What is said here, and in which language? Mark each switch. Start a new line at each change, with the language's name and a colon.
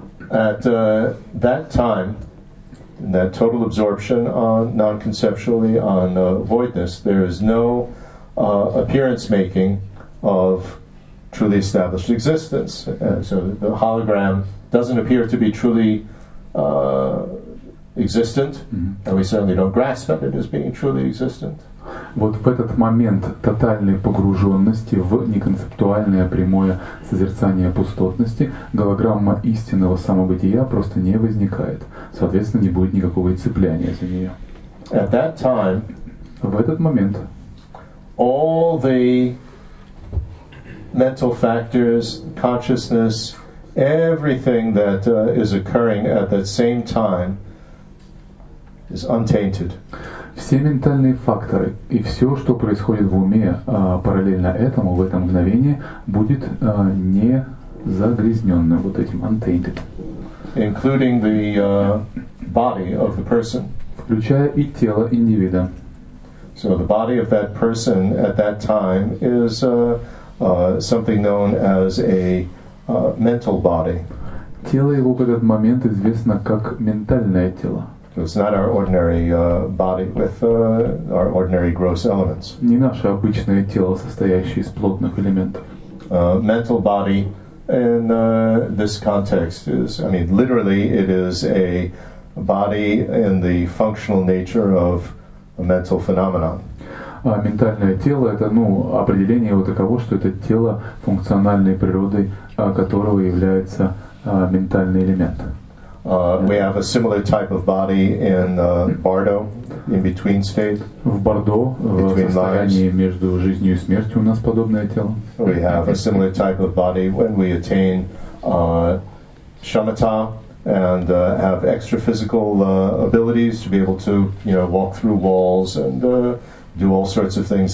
English: At that time, that total absorption on non-conceptually on voidness, there is no appearance making of truly established existence. So the hologram doesn't appear to be truly existent, and we certainly don't grasp at it as being truly existent.
Russian: Вот в этот момент тотальной погруженности в неконцептуальное прямое созерцание пустотности голограмма истинного самобытия просто не возникает. Соответственно, не будет никакого цепляния за нее.
English: At that time,
Russian: в этот момент
English: all the mental factors, consciousness, everything that is occurring at that same time is untainted.
Russian: Все ментальные факторы и все, что происходит в уме параллельно этому, в это мгновение, будет не загрязненным вот этим, untainted.
English: Including the body of the person.
Russian: Включая и тело индивида.
English: So the body of that person at that time is something known as a mental body.
Russian: Тело его в этот момент известно как ментальное тело.
English: So it's not our ordinary body with our ordinary gross elements.
Russian: Не наше обычное тело, состоящее из плотных элементов.
English: Mental body in this context is, I mean, literally it is a body in the functional nature of a mental phenomenon.
Russian: Ментальное тело — это, ну, определение его таково, что это тело функциональной природы, которого является ментальный элемент.
English: We have a similar type of body in Bardo, in between state.
Russian: В Бардо,
English: between
Russian: в состоянии
English: lives.
Russian: Между жизнью и смертью у нас подобное тело.
English: We have a similar type of body when we attain shamatha and have extra-physical abilities to be able to, you know, walk through walls and do all sorts of things.